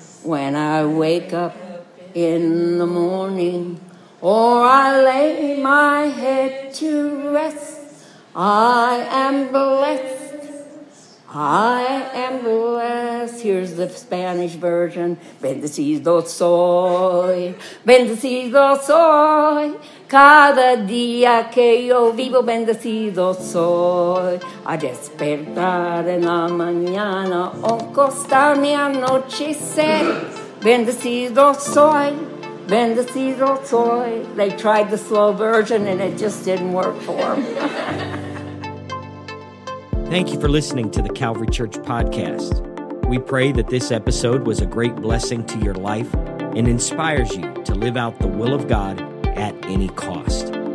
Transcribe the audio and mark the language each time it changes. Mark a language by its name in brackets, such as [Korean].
[English] When I wake up in the morning, or I lay my head to rest, I am blessed. I am blessed. Here's the Spanish version. [Spanish] Bendecido soy. Bendecido soy. Cada día que yo vivo, bendecido soy. A despertar en la mañana, o costar mi anochecer. Bendecido soy. Bendecido soy. [English] They tried the slow version and it just didn't work for them. Thank you for listening to the Calvary Church Podcast. We pray that this episode was a great blessing to your life and inspires you to live out the will of God at any cost.